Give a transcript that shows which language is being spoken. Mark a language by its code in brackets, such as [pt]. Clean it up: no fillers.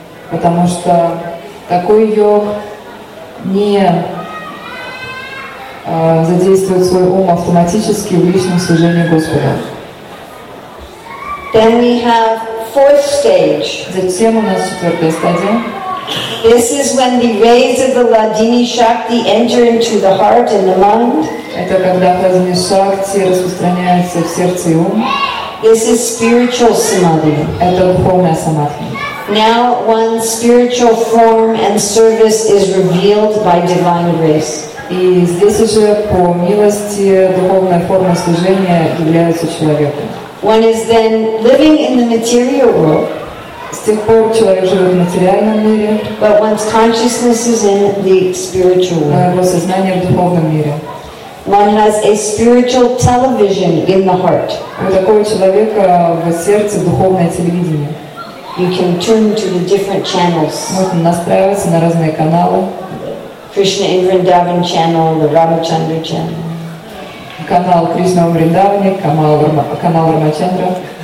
[ru] Потому что такой йог не задействует свой ум автоматически в личном служении Господа. [en] Then we have fourth stage. [ru] Затем у нас четвертая стадия. [en] This is when the rays of the Ladini Shakti enter into the heart and the mind. [ru] Это когда Ладини Шакти распространяется в сердце и ум. [en] This is spiritual samadhi. [ru] Это духовная самадхи. [en] Now one's spiritual form and service is revealed by divine grace. [ru] И здесь уже по милости духовная форма служения является человеком. [en] One is then living in the material world. [ru] С тех пор человек живет в материальном мире. [en] But one's consciousness is in the spiritual world. [ru] Но его сознание в духовном мире. [en] One has a spiritual television in the heart. [ru] У такого человека в сердце духовное телевидение. [en] You can turn to the different channels. [ru] Можно настраиваться на разные каналы. [en] Krishna in Vrindavan channel, the Ramachandra channel. [ru] Канал Кришна в Вриндаване, канал Рамачандра.